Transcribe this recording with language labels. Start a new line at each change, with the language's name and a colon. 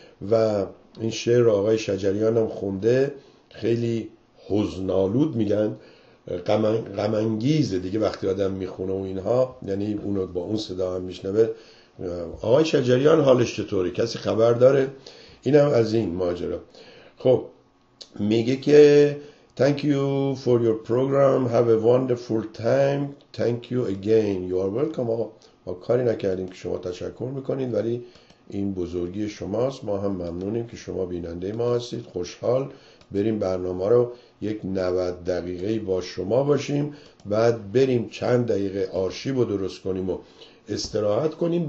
Persian: و این شعر رو آقای شجریان هم خونده، خیلی حزن‌آلود میگن، غم‌انگیزه دیگه وقتی آدم میخونه و اینها، یعنی اونو با اون صدا هم میشنوه. آقای شجریان حالش چطوره؟ کسی خبر داره؟ اینم از این ماجرا. خب میگه که
English: Thank you for your program. Have a wonderful time. Thank you again. You are welcome.
Persian: ما کاری نکردیم که شما تشکر میکنید، ولی این بزرگی شماست. ما هم ممنونیم که شما بیننده ما هستید. خوشحال بریم برنامه رو یک 90 دقیقه با شما باشیم، بعد بریم چند دقیقه آرشیو درست کنیم و استراحت کنیم.